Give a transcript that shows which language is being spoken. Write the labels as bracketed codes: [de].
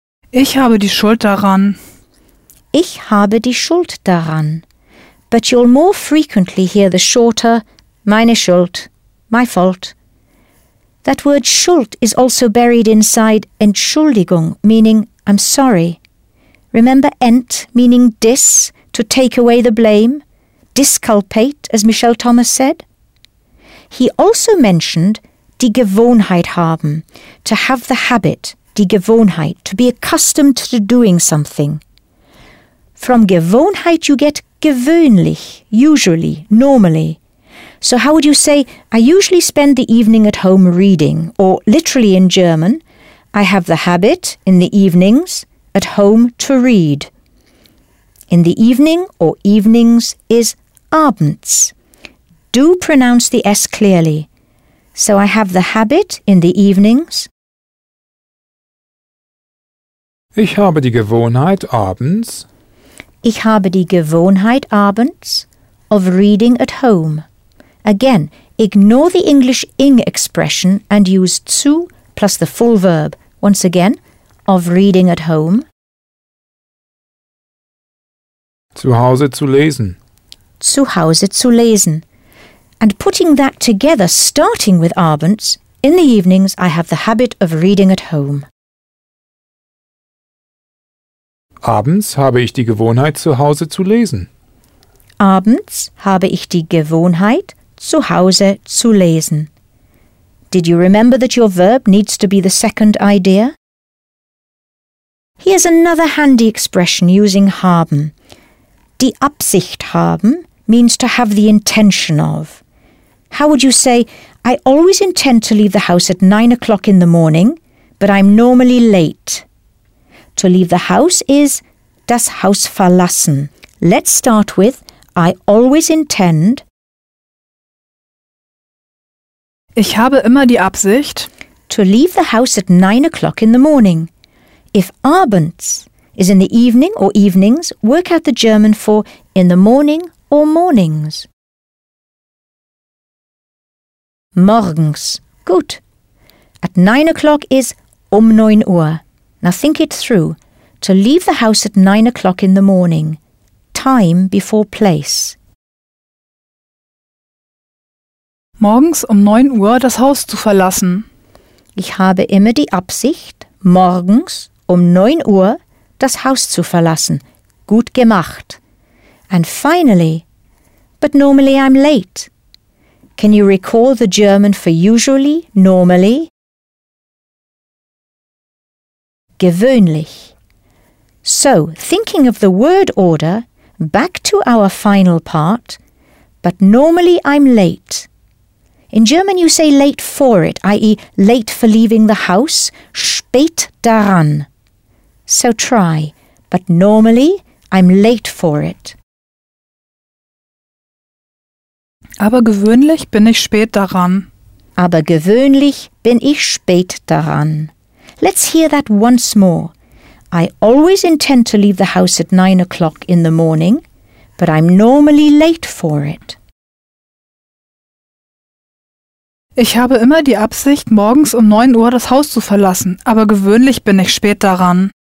[de] Ich habe die Schuld daran. Ich habe die Schuld daran. [en] But you'll more frequently hear the shorter, [de] meine Schuld, [en] my fault. That word Schuld is also buried inside Entschuldigung, meaning I'm sorry. Remember ent, meaning dis, to take away the blame? Disculpate, as Michel Thomas said? He also mentioned [de] die Gewohnheit haben, [en] to have the habit, [de] die Gewohnheit, [en] to be accustomed to doing something. From Gewohnheit you get gewöhnlich, usually, normally. So how would you say, I usually spend the evening at home reading, or literally in German, I have the habit, in the evenings, at home to read. In the evening or evenings is abends. Do pronounce the S clearly. So I have the habit in the evenings. [de] Ich habe die Gewohnheit abends. Ich habe die Gewohnheit abends [en] of reading at home. Again, ignore the English ing expression and use zu plus the full verb. Once again, of reading at home. [de] Zu Hause zu lesen. Zu Hause zu lesen. [en] And putting that together, starting with abends, in the evenings I have the habit of reading at home. [de] Abends habe ich die Gewohnheit, zu Hause zu lesen. Abends habe ich die Gewohnheit, zu Hause zu lesen. [en] Did you remember that your verb needs to be the second idea? Here's another handy expression using haben. [de] Die Absicht haben [en] means to have the intention of. How would you say, I always intend to leave the house at 9 o'clock in the morning, but I'm normally late. To leave the house is [de] das Haus verlassen. [en] Let's start with, I always intend. [de] Ich habe immer die Absicht. [en] To leave the house at 9 o'clock in the morning. If abends is in the evening or evenings, work out the German for in the morning or mornings. [de] Morgens. Gut. [en] At 9 o'clock is [de] 9 Uhr. [en] Now think it through. To leave the house at 9 o'clock in the morning. Time before place. [de] Morgens 9 Uhr das Haus zu verlassen. Ich habe immer die Absicht, morgens 9 Uhr das Haus zu verlassen. Gut gemacht. [en] And finally, but normally I'm late. Can you recall the German for usually, normally? Gewöhnlich. So, thinking of the word order, back to our final part, but normally I'm late. In German you say late for it, i.e. late for leaving the house, [de] spät daran. [en] So try, but normally I'm late for it. [de] Aber gewöhnlich bin ich spät daran. Aber gewöhnlich bin ich spät daran. [en] Let's hear that once more. I always intend to leave the house at 9 o'clock in the morning, but I'm normally late for it. [de] Ich habe immer die Absicht, morgens 9 Uhr das Haus zu verlassen, aber gewöhnlich bin ich spät daran.